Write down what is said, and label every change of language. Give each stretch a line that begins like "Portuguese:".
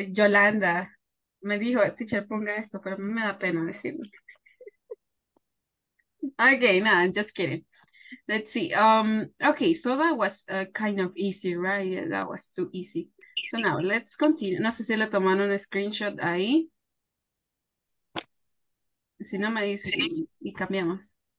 Spanish: Yolanda me dijo, teacher, ponga esto, pero a mí me da pena decirlo.
English: Okay, no, I'm just kidding. Let's see. Okay, so that was kind of easy, right? Yeah, that was too easy. So now let's continue.
Spanish: No sé si le tomaron un screenshot ahí. Si no me dice y cambiamos.